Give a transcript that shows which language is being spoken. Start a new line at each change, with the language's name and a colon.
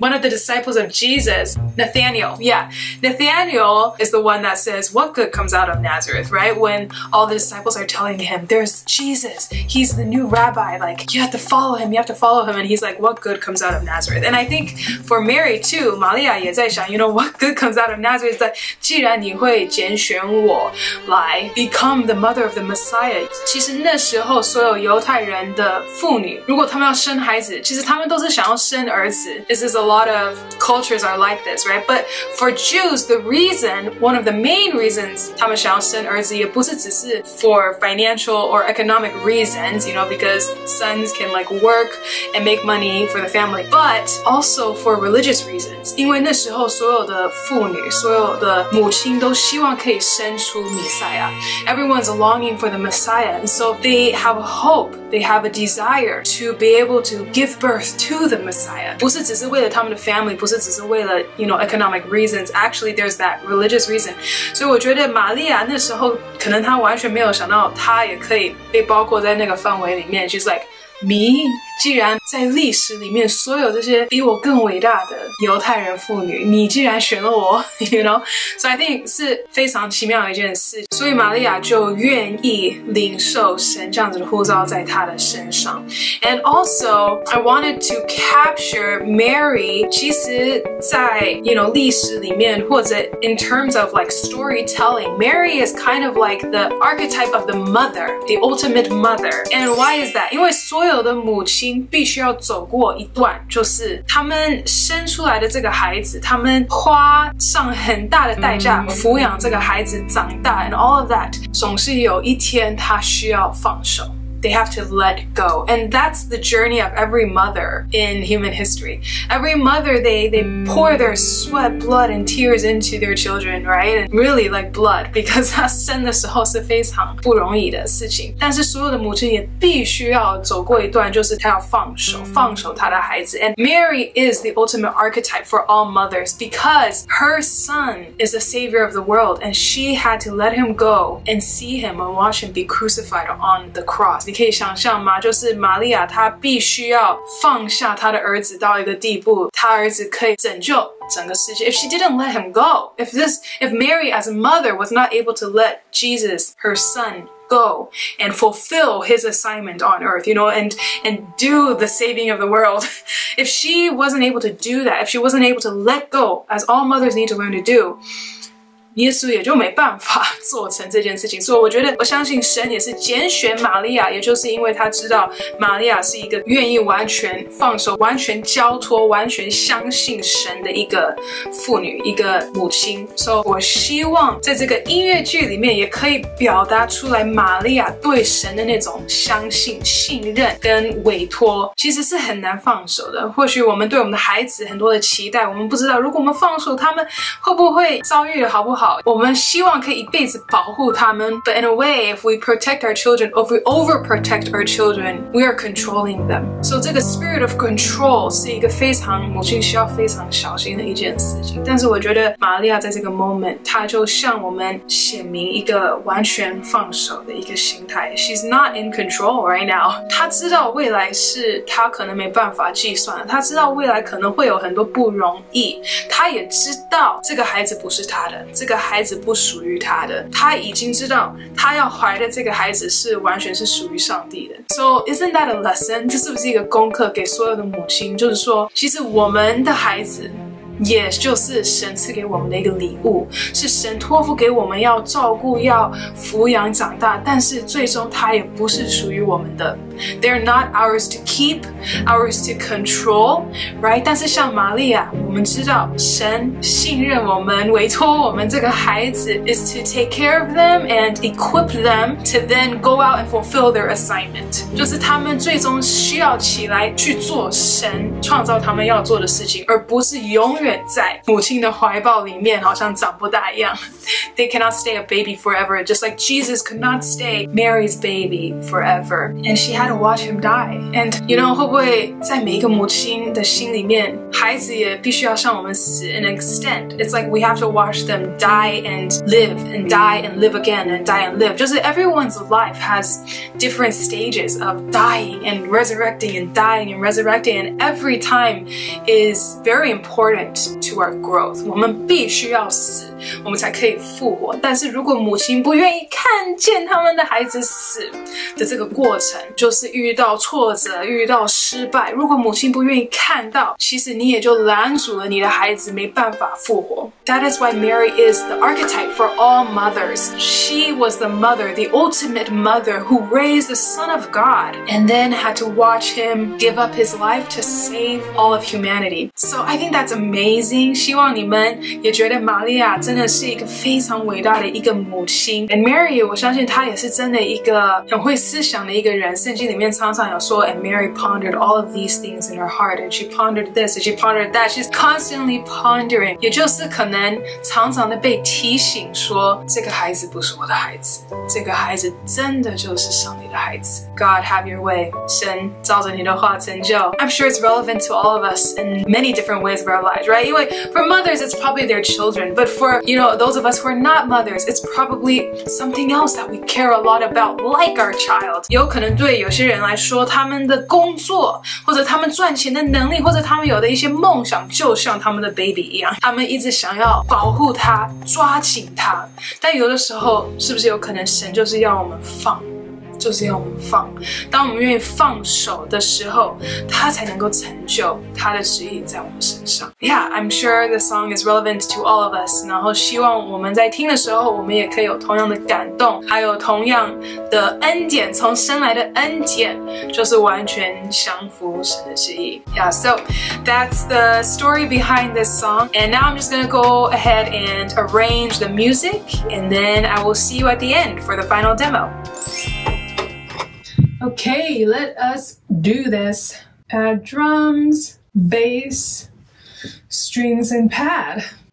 English: One of the disciples of Jesus, Nathaniel. Yeah, Nathaniel is the one that says, what good comes out of Nazareth, right? When all the disciples are telling him, there's Jesus, he's the new rabbi, like, you have to follow him, you have to follow him, and he's like, what good comes out of Nazareth? And I think for Mary too,
Chinese: 玛利亚也在想,
English: you know, what good comes out of Nazareth? That
Chinese: 既然你会拣选我来
English: become the mother of the Messiah.
Chinese: 其实那时候所有犹太人的妇女，如果他们要生孩子，其实他们都是想要生儿子。
English: This is a lot of cultures are like this, right? But for Jews, the reason, one of the main reasons
Chinese: 他们想要生儿子也不是只是
English: for financial or economic reasons, you know, because sons can like workand make money for the family, but also for religious reasons.
Chinese: 因为那时候所有的妇女，所有的母亲都希望可以生出弥赛亚。
English: Everyone's longing for the Messiah, and so they have a hope, they have a desire to be able to give birth to the Messiah.
Chinese: 不是只是为了他们的 family, 不是只是为了
English: you know, economic reasons. Actually, there's that religious reason.
Chinese: 所以我觉得玛利亚那时候可能她完全没有想到她也可以被包括在那个范围里面。
English: She's like,Me?
Chinese: 既然在历史里面所有这些比我更伟大的犹太人妇女，你既然选了我， you know?
English: So I think
Chinese: 是非常奇妙的一件事。所以玛利亚就愿意领受神这样子的呼召在她的身上。
English: And also I wanted to capture Mary
Chinese: 其实在
English: you know,
Chinese: 历史里面，或者
English: in terms of like storytelling, Mary is kind of like the archetype of the mother, the ultimate mother. And why is that?
Chinese: 因为所有的母亲必须要走过一段，就是他们生出来的这个孩子，他们花上很大的代价抚养这个孩子长大，
English: and all of that，
Chinese: 总是有一天他需要放手。
English: They have to let go. And that's the journey of every mother in human history. Every mother, they pour their sweat, blood, and tears into their children, right? And really, like blood, because
Chinese: 她生的时候是非常不容易的事情。但是所有的母亲也必须要走过一段，就是她要放手她的孩子。
English: And Mary is the ultimate archetype for all mothers because her son is the savior of the world, and she had to let him go and see him and watch him be crucified on the cross.
Chinese: 你可以想象吗？就是玛利亚她必须要放下她的儿子到一个地步，她儿子可以拯救整个世界。
English: If she didn't let him go, if Mary as a mother was not able to let Jesus, her son, go and fulfill his assignment on earth, you know, and do the saving of the world, if she wasn't able to do that, if she wasn't able to let go, as all mothers need to learn to do,
Chinese: 耶稣也就没办法做成这件事情。所以我觉得我相信神也是拣选玛利亚，也就是因为他知道玛利亚是一个愿意完全放手，完全交托，完全相信神的一个妇女，一个母亲。所以我希望在这个音乐剧里面也可以表达出来玛利亚对神的那种相信、信任跟委托，其实是很难放手的。或许我们对我们的孩子很多的期待，我们不知道如果我们放手他们会不会遭遇的好不好，好，我们希望可以一辈子保护他们。
English: But in a way, if we protect our children, if we overprotect our children, we are controlling them.
Chinese: So 这个
English: spirit of control
Chinese: 是一个非常母亲需要非常小心的一件事情。但是我觉得玛利亚在这个 moment， 她就向我们显明一个完全放手的一个心态。
English: She's not in control right now.
Chinese: 她知道未来是她可能没办法计算，她知道未来可能会有很多不容易，她也知道这个孩子不是她的，这个孩子不属于她的。她已经知道她要怀的这个孩子是完全是属于上帝的。
English: So isn't that a lesson?
Chinese: 这是不是一个功课给所有的母亲？就是说，其实我们的孩子。也就是神赐给我们的一个礼物，是神托付给我们要照顾、要抚养长大，但是最终它也不是属于我们的。
English: They're not ours to keep, ours to control, right?
Chinese: 但是像玛利亚，我们知道神信任我们，委托我们这个孩子
English: is to take care of them and equip them to then go out and fulfill their assignment.
Chinese: 就是他们最终需要起来去做神创造他们要做的事情，而不是永远在母亲的怀抱里面好像长不大一样。
English: They cannot stay a baby forever, just like Jesus could not stay Mary's baby forever, and she had to watch him die.
Chinese: And you know, 会不会在每一个母亲的心里面，孩子也必须要向我们死
English: an extent. It's like we have to watch them die and live and die and live again and die and live. 就是 everyone's life has different stages of dying and resurrecting and dying and resurrecting, and every time is very important to our growth.
Chinese: 我们必须要死，我们才可以复活。但是如果母亲不愿意看见他们的孩子死的这个过程，就是遇到挫折，遇到失败，如果母亲不愿意看到，其实你也就拦阻了你的孩子没办法复活。
English: That is why Mary is the archetype for all mothers. She was the mother, the ultimate mother who raised the Son of God and then had to watch him give up his life to save all of humanity. So I think that's amazing.
Chinese: 希望你们也觉得玛利亚真的是一个非常伟大的一个母亲。 And Mary, 我相信她也是真的一个很会思想的一个人。圣经里面常常有说
English: And Mary pondered all of these things in her heart, and she pondered this, and she pondered that. She's constantly pondering.
Chinese: 也就是可能常常的被提醒说，这个孩子不是我的孩子，这个孩子真的就是上帝的孩子。
English: God have your way.
Chinese: 神照着你的话成就。
English: I'm sure it's relevant to all of us in many different ways of our lives, right? Anyway, for mothers, it's probably their children. But for, you know, those of us who are not mothers, it's probably something else that we care a lot about, like our child.
Chinese: 有可能对有些人来说，他们的工作，或者他们赚钱的能力，或者他们有的一些梦想，就像他们的 baby 一样，他们一直想要保护他，抓紧他。但有的时候，是不是有可能神就是要我们放？就是要我们放，当我们愿意放手的时候，他才能够成就他的旨意在我们身上。
English: Yeah, I'm sure the song is relevant to all of us.
Chinese: 然后希望我们在听的时候，我们也可以有同样的感动，还有同样的恩典，从神来的恩典，就是完全降服神的旨意。
English: Yeah, so that's the story behind this song. And now I'm just gonna go ahead and arrange the music, and then I will see you at the end for the final demo. Okay, let us do this. Add drums, bass, strings, and pad.